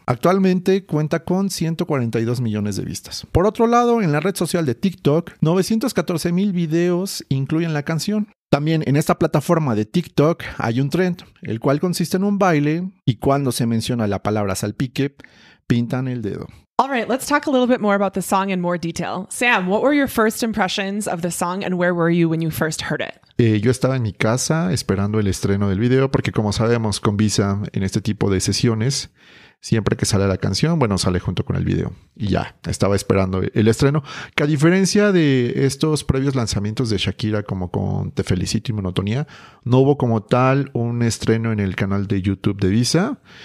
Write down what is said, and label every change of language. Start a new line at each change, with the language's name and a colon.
Spanish: Actualmente cuenta con 142 millones de vistas. Por otro lado, en la red social de TikTok, 914 mil videos incluyen la canción. También en esta plataforma de TikTok hay un trend, el cual consiste en un baile y cuando se menciona la palabra salpique, pintan el dedo.
English: All right, let's talk a little bit more about the song in more detail. Sam, what were your first impressions of the song and where were you when you first heard it?
Spanish: Yo estaba en mi casa esperando el estreno del video porque, como sabemos, con Visa en este tipo de sesiones siempre que sale la canción, bueno, sale junto con el video. Y ya, estaba esperando el estreno. Que a diferencia de estos previos lanzamientos de Shakira, como con Te Felicito y Monotonía, no hubo como tal un estreno en el canal de YouTube de Visa.